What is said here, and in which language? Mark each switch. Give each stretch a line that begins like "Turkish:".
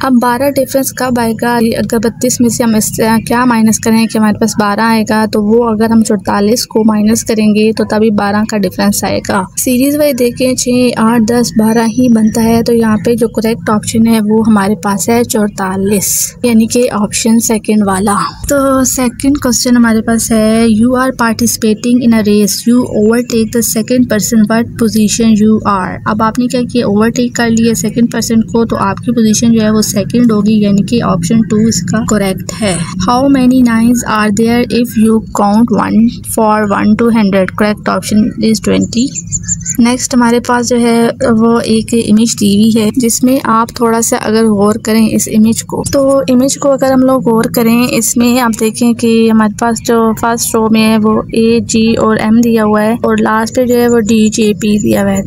Urdu: اب 12 ڈفرینس کب آئے گا, اگر 32 میں سے ہم اس کیا مائنس کریں کہ ہمارے پاس 12 آئے گا, تو وہ اگر ہم 44 کو مائنس کریں گے تو تبھی 12 کا ڈفرینس آئے گا. سیریز وائز دیکھیں 6 8 10 12 ہی بنتا ہے. تو یہاں پہ جو کریکٹ آپشن ہے وہ ہمارے پاس ہے 44, یعنی کہ آپشن سیکنڈ والا. تو سیکنڈ کوشچن ہمارے پاس ہے,
English: You are participating in a race, you overtake the second person, what position you are.
Urdu: اب آپ نے کیا کہ اوور ٹیک کر لیا سیکنڈ پرسن کو تو آپ کی پوزیشن جو ہے وہ سیکنڈ ہوگی, یعنی کہ آپشن 2 اس کا کریکٹ ہے.
English: How many nines are there if you count 1 for 1 to 100, correct option is 20.
Urdu: Next ہمارے پاس جو ہے وہ ایک امیج ٹی وی ہے جس میں آپ تھوڑا سا اگر غور کریں اس امیج کو, تو امیج کو اگر ہم لوگ غور کریں اس میں آپ دیکھیں کہ ہمارے پاس جو فرسٹ رو میں ہے وہ اے جی اور ایم دیا ہوا ہے اور لاسٹ پہ جو ہے وہ ڈی جے پی دیا ہوا ہے.